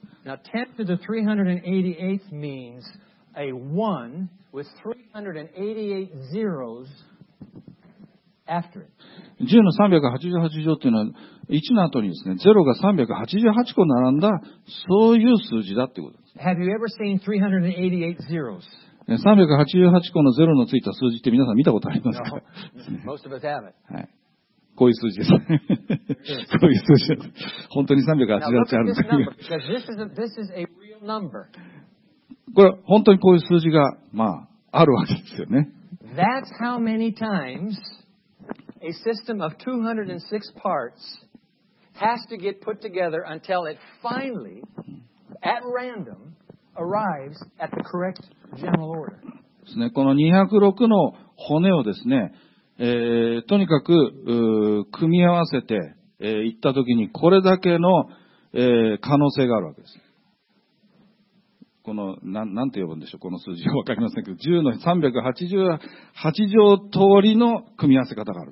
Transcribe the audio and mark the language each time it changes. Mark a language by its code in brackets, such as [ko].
[en] Now, 10 to the 388th means a 1 with 388 zeros after it. [ja] 10の388乗というのは、1の後にですね、0が388個並んだ、そういう数字だということです。 [en] Have you ever seen 388 zeros? [ja] 388個の0のついた数字って皆さん見たことありますか？ [en] No, most of us haven't. [ja] はい。こういう数字です。こういう数字です。本当に388あるんですね。これ、本当にこういう数字が、まあ、あるわけですよね。 [en] That's how many times a system of 206 parts has to get put together until it finally, at random, arrives at the correct general order. [ja] ですね、この206の骨をですね、とにかく組み合わせてい、ったときにこれだけの、可能性があるわけです。この何て呼ぶんでしょう、この数字は分かりませんけど、10の388乗通りの組み合わせ方がある